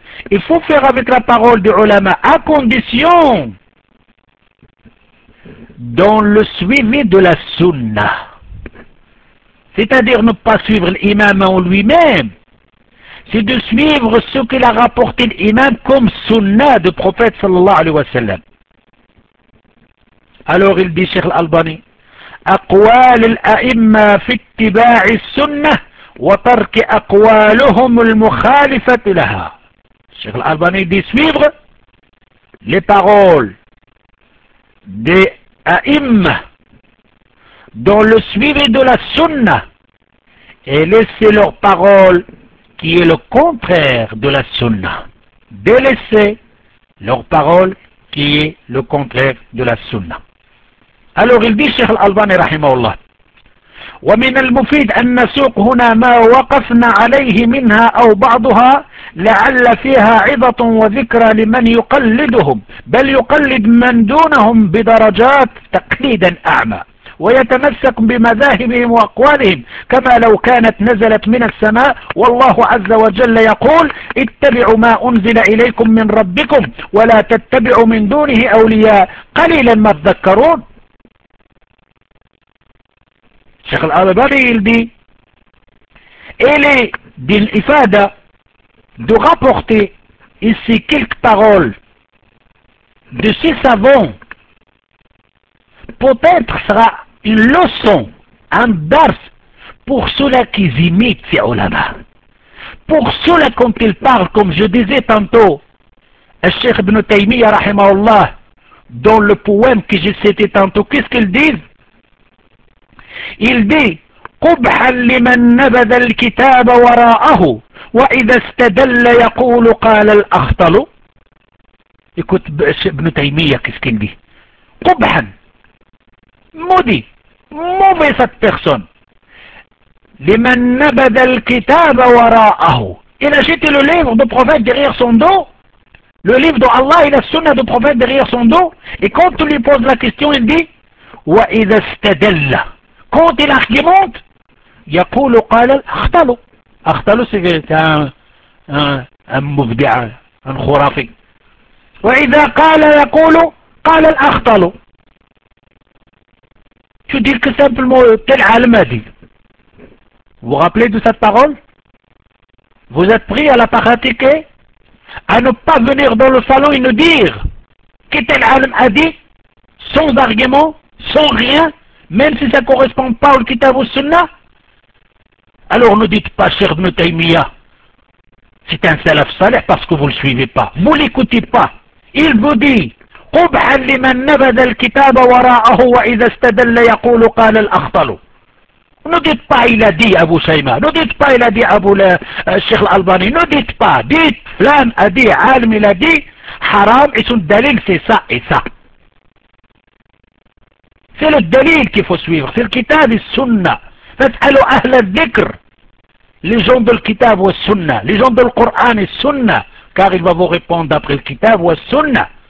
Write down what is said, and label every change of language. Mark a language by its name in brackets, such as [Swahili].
[French] Il faut faire avec la parole du ulama, à condition dans le suivi de la sunna. C'est-à-dire ne pas suivre l'imam en lui-même. C'est de suivre ce qu'il a rapporté l'imam comme sunna de prophète [Arabic] sallallahu alayhi wa sallam. [French] Alors il dit, [Arabic] Cheikh Al-Albani, أقوال الأئمة في اتباع السنة وترك أقوالهم المخالفة لها. [French] Cheikh Al-Albani dit suivre les paroles des A'imma dans le suivi de la sunna et laisser leurs paroles qui est le contraire de la sunna. Délaisser leurs paroles qui est le contraire de la sunna. Alors il dit Cheikh Al-Albani [Arabic] rahimahullah. ومن المفيد أن نسوق هنا ما وقفنا عليه منها أو بعضها لعل فيها عظة وذكرى لمن يقلدهم بل يقلد من دونهم بدرجات تقليدا أعمى ويتمسك بمذاهبهم وأقوالهم كما لو كانت نزلت من السماء والله عز وجل يقول اتبعوا ما أنزل إليكم من ربكم ولا تتبعوا من دونه أولياء قليلا ما تذكرون. [French] Cheikh Al-Albani, il dit, elle est d'une ifada de rapporter ici quelques paroles de ces savants. Peut-être sera une leçon, un dars, pour ceux-là qui imitent ces ulama. Pour ceux-là, quand ils parlent, comme je disais tantôt, Cheikh Ibn Taymiyyah, [Arabic] rahimahullah, [French] dans le poème que j'ai cité tantôt, qu'est-ce qu'ils disent? Il dit [Arabic] قبحا لمن نبذ الكتاب وراءه وإذا استدل يقول قال الأخطل. [French] Écoute, Ibn Taymiyyah, qu'est-ce qu'il dit? [Arabic] قبحا, [French] maudit, mauvais cette personne. [Arabic] لمن نبذ الكتاب وراءه. [French] Il a jeté le livre du prophète derrière son dos, le livre d'Allah et la sunna du prophète derrière son dos, et quand on lui pose la question, il dit [Arabic] وإذا استدل. [French] Quand il argumente, [Arabic] yaqulu qala akhtalu. [French] Akhtalu, c'est un mubdi'a, un khurafi. [Arabic] Wa idha qala yaqulu qala akhtalu. [French] Tu dis que simplement tel alim a dit. Vous rappelez de cette parole? Vous êtes pris à la pratiquer, à ne pas venir dans le salon et nous dire que tel alim a dit, sans argument, sans rien. Même si ça ne correspond pas au kitab ou au sunna, alors ne dites pas, Cheikh Ibn Taymiyyah, c'est un salaf salih parce que vous ne le suivez pas. Vous ne l'écoutez pas. Il vous dit, [Arabic] قبحا لمن نبذ الكتاب وراءه وإذا استدل يقول قال الأخطل. [French] Ne dites pas, il a dit Abu Shayma. Ne dites pas, il a dit Abu Cheikh Al-Albani. Ne dites pas, dites, Flam a dit, Alim il a dit, haram et son dalil c'est ça et ça. C'est le dalil qu'il faut suivre, c'est le kitab et le sunna. Faites allo ahl al-dhikr, les gens de le kitab ou le sunna, les gens de le Coran et le sunna, car il va vous répondre d'après le kitab ou le sunna.